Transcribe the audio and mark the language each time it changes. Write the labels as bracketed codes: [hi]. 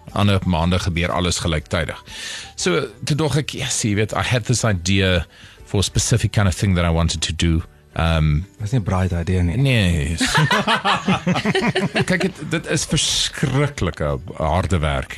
[af] Ander maande gebeur alles gelijktijdig. So, toe dog ek, yes, jy weet, [en] I had this idea for a specific kind of thing that I wanted to do. [af] Dat is nie een bright idea nie. Nee. Kijk, dit is verskrikkelijke harde werk.